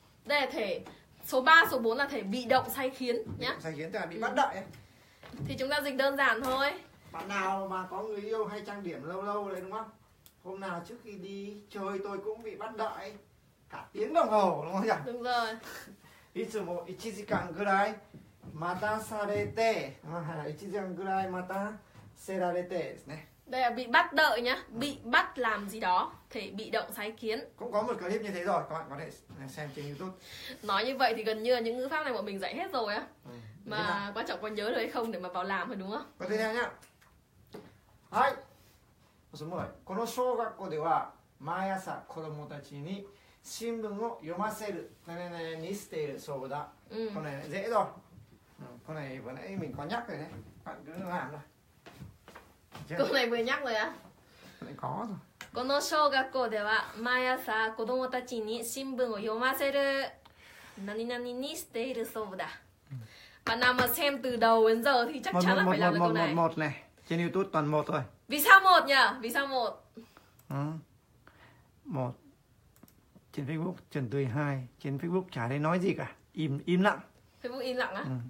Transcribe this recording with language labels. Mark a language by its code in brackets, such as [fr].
[vi] Đây là thể số 3, số 4 là thể bị động sai khiến nhá. Sai khiến tức là bị bắt đợi. Thì chúng ta dịch đơn giản thôi. Bạn nào mà có người yêu hay trang điểm lâu lâu đấy đúng không? Hôm nào trước khi đi chơi tôi cũng bị bắt đợi cả tiếng đồng hồ đúng không nhỉ? Đúng rồi. [ja] いつも 1 時間ぐらい待たされて、1時間ぐらい待たせられてですね。 [vi] Đây là bị bắt đợi nhá, bị bắt làm gì đó, thể bị động sai khiến. Cũng có một clip như thế rồi, các bạn có thể xem trên YouTube. Nói như vậy thì gần như là những ngữ pháp này bọn mình dạy hết rồi á. Ừ. Mà quan trọng có nhớ được hay không để mà vào làm thôi đúng không? Có thể nhá. Hai. Số 10. [ja] この小学校では毎朝子供たちに新聞を読ませる。ねねにしているそうだ。これね、ゼロ。これね、これね、 [vi] mình có nhắc rồi đấy. Cứ làm thôi. Câu này vừa nhắc rồi á. Có rồi. [ja] この小学校では毎朝子供たちに新聞を読ませる何々にしているそうだ。 [vi] Bạn nào mà xem từ đầu đến giờ thì chắc chắn là phải làm được câu này. Một này. Trên YouTube toàn một thôi. Vì sao một nhỉ? Vì sao một? Một. Trên Facebook Trần Tươi 2. Trên Facebook chả thấy nói gì cả. Im lặng. Facebook im lặng á?